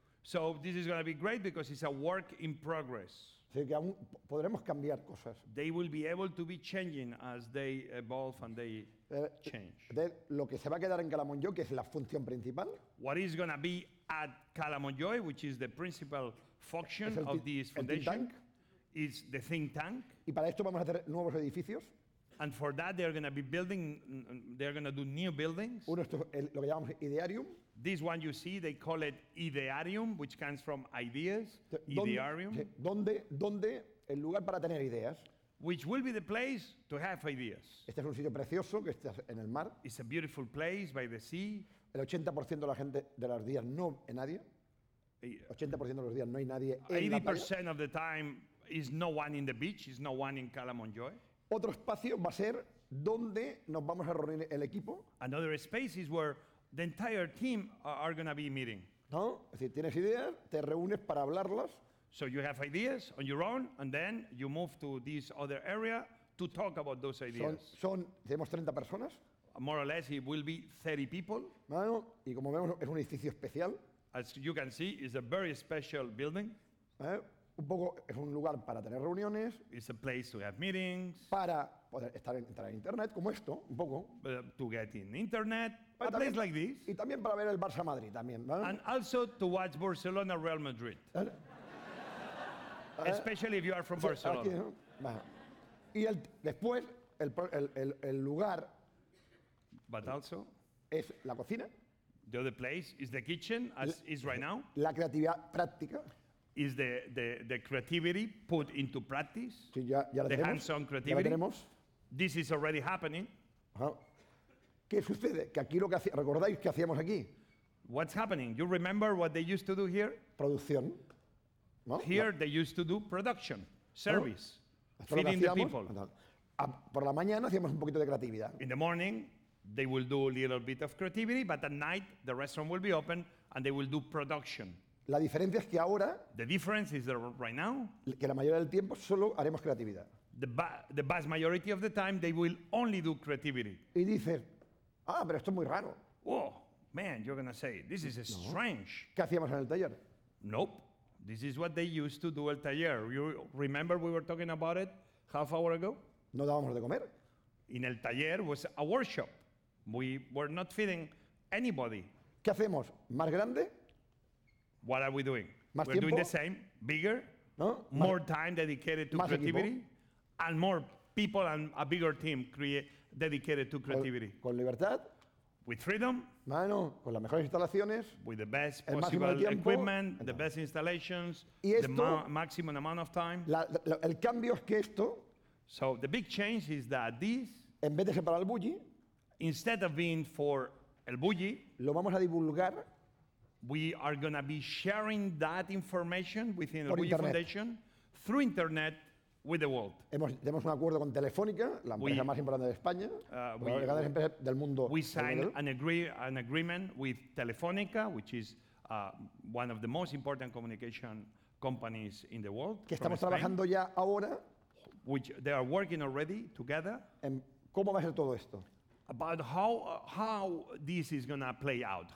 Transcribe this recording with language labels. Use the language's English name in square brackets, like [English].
[English] So this is going to be great because it's a work in progress. [Spanish] Así que aún podremos cambiar cosas. [English] They will be able to be changing as they evolve and they change. [Spanish] De lo que se va a quedar en Calamonjoy, que es la función principal. [English] What is going to be at Calamonjoy, which is the principal function of this foundation, think is the think tank. [Spanish] Y para esto vamos a hacer nuevos edificios. [English] And for that they are going to be building, they are going to do new buildings. [Spanish] Uno esto, lo que llamamos idearium. [English] This one you see, they call it idearium, which comes from ideas. [Spanish] Idearium. ¿Dónde el lugar para tener ideas? [English] Which will be the place to have ideas. [Spanish] Este es un sitio precioso que está en el mar. [English] It's a beautiful place by the sea. [Spanish] El 80% de la gente de los días no hay nadie. 80% de los días no hay nadie en la playa. [English] 80% of the time is no one in the beach, is no one in Calamonjoy. [Spanish] Otro espacio va a ser donde nos vamos a reunir el equipo. [English] Another space is where the entire team are going to be meeting. [Spanish] ¿No? Es decir, tienes ideas, te reúnes para hablarlas. [English] So you have ideas on your own, and then you move to this other area to talk about those ideas. [Spanish] Tenemos 30 personas. [English] More or less, it will be 30 people. [Spanish] ¿No? Y como vemos, es un edificio especial. [English] As you can see, it's a very special building. ¿Eh? [Spanish] Un poco es un lugar para tener reuniones. [English] It's a place to have meetings. [Spanish] Para poder entrar en internet, como esto, un poco. [English] To get in internet. A también, place like this. [Spanish] Y también para ver el Barça Madrid también. ¿Vale? [English] And also to watch Barcelona Real Madrid. [Spanish] ¿Vale? [English] Especially if you are from Barcelona. [Spanish] Aquí, ¿no? Vale. Y después el lugar. [English] But also. [Spanish] Es la cocina. [English] The other place is the kitchen, as is right now. [Spanish] La creatividad práctica. [English] Is the creativity put into practice? [Spanish] Sí, ya [English] the hands-on creativity. [Spanish] Ya tenemos. [English] This is already happening. [Spanish] Uh-huh. ¿Qué sucede? Que aquí lo que recordáis que hacíamos aquí. [English] What's happening? You remember what they used to do here? [Spanish] Producción. ¿No? [English] Here [Spanish] no. [English] They used to do production, service, uh-huh. Feeding the people. [Spanish] Por la mañana hacíamos un poquito de creatividad. [English] In the morning, they will do a little bit of creativity, but at night the restaurant will be open and they will do production. [Spanish] La diferencia es que ahora, [English] the difference is that right now, [Spanish] que la mayoría del tiempo solo haremos creatividad. [English] The vast majority of the time they will only do creativity. [Spanish] Y dices, ah, pero esto es muy raro. [English] Oh, man, you're gonna say this is strange. [Spanish] ¿Qué hacíamos en el taller? [English] Nope, this is what they used to do el taller. You remember we were talking about it half hour ago? [Spanish] No dábamos de comer. [English] In el taller was a workshop. We were not feeding anybody. [Spanish] ¿Qué hacemos? Más grande. [English] What are we doing? [Spanish] Más [English] we're [Spanish] tiempo, [English] doing the same, bigger, [Spanish] ¿no? [English] More time dedicated to creativity, [Spanish] equipo. [English] And more people and a bigger team dedicated to creativity. [Spanish] Con libertad. [English] With freedom. [Spanish] Bueno, con las mejores instalaciones. [English] With the best possible equipment, the best installations, [Spanish] y esto, [English] the maximum amount of time. [Spanish] El cambio es que esto. [English] So the big change is that this. [Spanish] En vez de separar el Bulli. [English] Instead of being for el bulli, [Spanish] lo vamos a divulgar. [English] We are going to be sharing that information within the Bulli Foundation through internet with the world. [Spanish] Tenemos un acuerdo con Telefónica, la empresa más importante de España, una de las empresas del mundo. [English] We signed an agreement with Telefónica, which is one of the most important communication companies in the world. [Spanish] Que estamos trabajando ya ahora. [English] Which they are working already together. [Spanish] ¿En cómo va a ser todo esto? [English] About how this is going to play out.